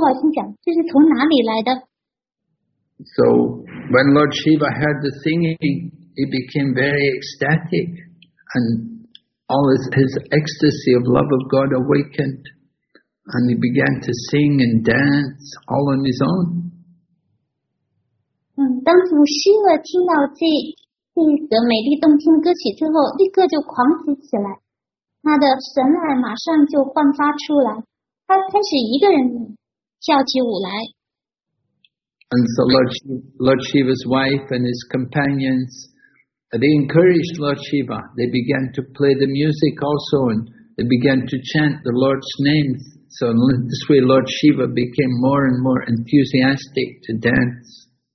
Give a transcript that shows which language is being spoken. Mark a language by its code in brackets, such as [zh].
[zh] 当他们休息的时候，可以听到动听的歌曲，美丽动听的歌曲，还有很美优美的曲调。那他勾法心想，这是从哪里来的？ [en] So when Lord Shiva heard the singing, he became very ecstatic, and all his ecstasy of love of God awakened, and he began to sing and dance all on his own. [zh] 当主师傅听到这个美丽动听歌曲之后，立刻就狂喜起来，他的神爱马上就焕发出来，他开始一个人跳起舞来。 [en] And so Lord Shiva's wife and his companions, they encouraged Lord Shiva. They began to play the music also, and they began to chant the Lord's names. So this way Lord Shiva became more and more enthusiastic to dance.